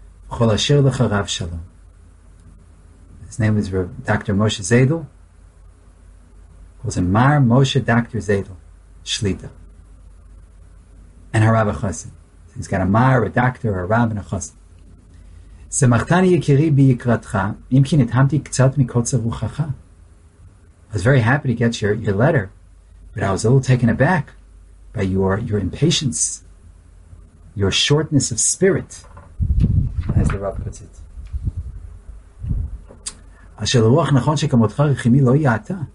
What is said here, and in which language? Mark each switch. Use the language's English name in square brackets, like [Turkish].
[English] Chol Asher Lecha, Rav Shalom. His name is Dr. Moshe Zedel. Calls him Mar Moshe, Dr. Zedel Shlita. And Rav Chosid. He's got a Mar, a doctor, a Rav, and a Chosid. [Hebrew] שמחתני יקירי ביקרתך, אם כי נתהמתי קצת מקוצר רוחך. [English] I was very happy to get your letter, but I was a little taken aback by your impatience, your shortness of spirit, as the Rav puts it. [Hebrew] אשר לרוח נכון שכמותך רחימי לא יעתה.